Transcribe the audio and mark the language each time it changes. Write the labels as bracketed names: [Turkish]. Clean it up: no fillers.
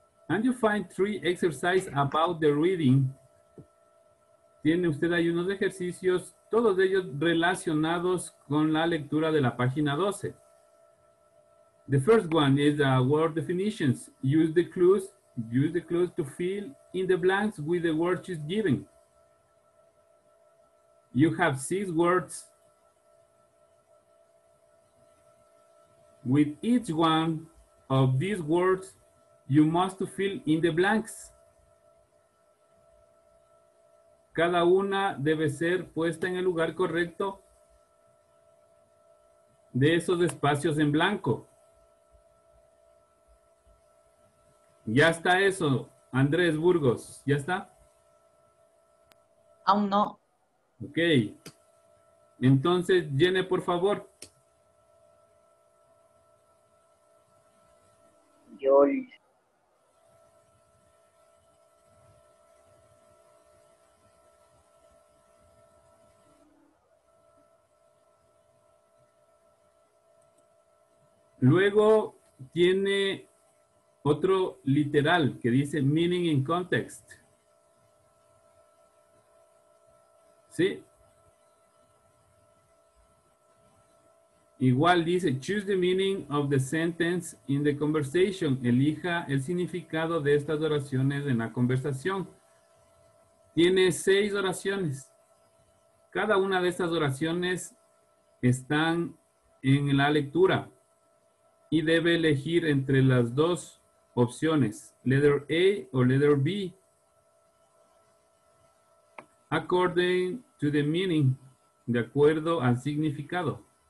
[English] And you find three exercises about the reading. [Spanish] Tiene usted ahí unos ejercicios, todos ellos relacionados con la lectura de la página 12. [English] The first one is the word definitions. Use the clues to fill in the blanks with the words given. You have 6 words. With each one of these words, you must fill in the blanks. [Spanish] Cada una debe ser puesta en el lugar correcto de esos espacios en blanco. Ya está eso, Andrés Burgos. ¿Ya está? Aún no. Ok. Entonces, llene, por favor. Luego tiene otro literal que dice [English] meaning in context. [Spanish] ¿Sí? Igual dice [English] choose the meaning of the sentence in the conversation. [Spanish] Elija el significado de estas oraciones en la conversación. Tiene 6 oraciones. Cada una de estas oraciones están en la lectura. Y debe elegir entre las dos opciones, [English] letter A [Spanish] o [English] letter B, according to the meaning, [Spanish] de acuerdo al significado.